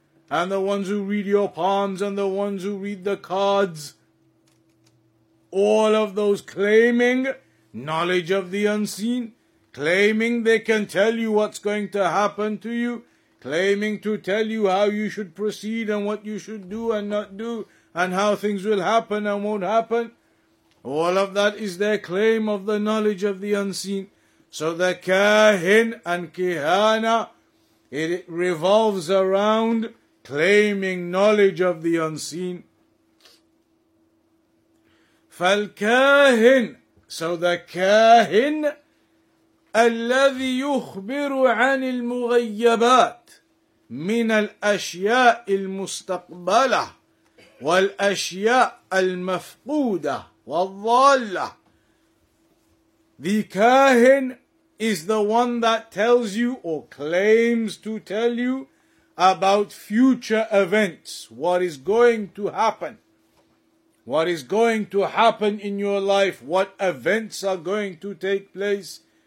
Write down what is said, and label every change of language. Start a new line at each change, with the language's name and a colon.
English: And the ones who read your palms, and the ones who read the cards, all of those claiming knowledge of the unseen, claiming they can tell you what's going to happen to you, claiming to tell you how you should proceed and what you should do and not do, and how things will happen and won't happen. All of that is their claim of the knowledge of the unseen. So the kahin and kihana, it revolves around claiming knowledge of the unseen.
Arabic: فالكاهن,
English: so the
Arabic: كاهن الذي يخبر عن المغيبات من الأشياء المستقبلة والأشياء المفقودة والضالة.
English: The كاهن is the one that tells you, or claims to tell you, about future events, what is going to happen. What is going to happen in your life, what events are going to take place.